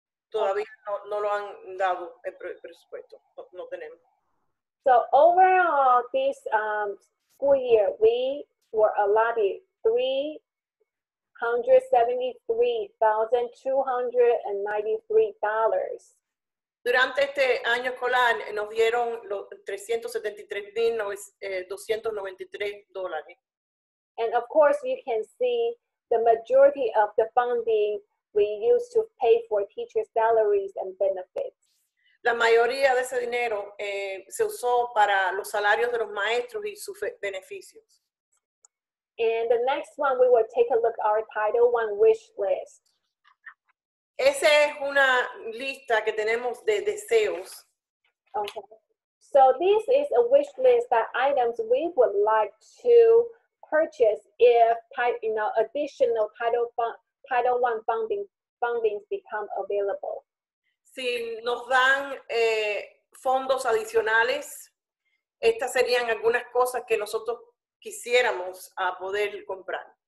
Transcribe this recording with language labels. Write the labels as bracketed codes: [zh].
[es] Todavía no lo han dado el presupuesto, no tenemos. [en] So overall, this school year, we were allotted $373,293. [es] Durante este año escolar, nos dieron los $373,293. [en] And of course, you can see the majority of the funding we use to pay for teacher salaries and benefits. [es] La mayoría de ese dinero se usó para los salarios de los maestros y sus beneficios. [en] And the next one, we will take a look at our Title I wish list. [es] Esa es una lista que tenemos de deseos. [en] Okay. So this is a wish list that items we would like to purchase if additional Title I funding become available. [es] Si nos dan fondos adicionales, estas serían algunas cosas que nosotros quisiéramos poder comprar.